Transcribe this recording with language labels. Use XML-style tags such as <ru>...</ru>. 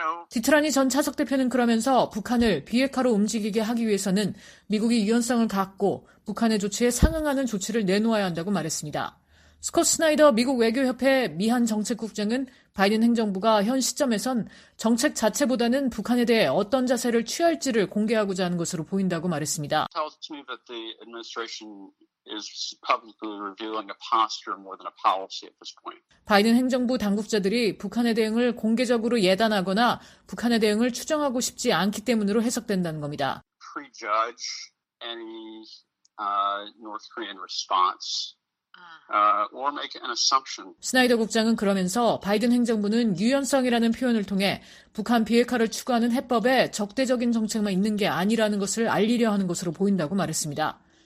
<ko>디트라니 전 차석 대표는 그러면서 북한을 비핵화로 움직이게 하기 위해서는 미국이 유연성을 갖고 북한의 조치에 상응하는 조치를 내놓아야 한다고 말했습니다. 스콧 스나이더 미국 외교협회 미한 정책국장은 바이든 행정부가 현 시점에선 정책 자체보다는 북한에 대해 어떤 자세를 취할지를 공개하고자 하는 것으로 보인다고 말했습니다.</ko> <en>Is publicly revealing a posture more than a policy at this point.</en> <ko>바이든 행정부 당국자들이 북한의 대응을 공개적으로 예단하거나 북한의 대응을 추정하고 싶지 않기 때문으로 해석된다는 겁니다.</ko> <en>Prejudge any North Korean response. Or make an assumption.</en> <ko>스나이더 국장은 그러면서 바이든 행정부는 유연성이라는 표현을 통해 북한 비핵화를 추구하는 해법에 적대적인 정책만 있는 게 아니라는 것을 알리려 하는 것으로 보인다고 말했습니다.</ko>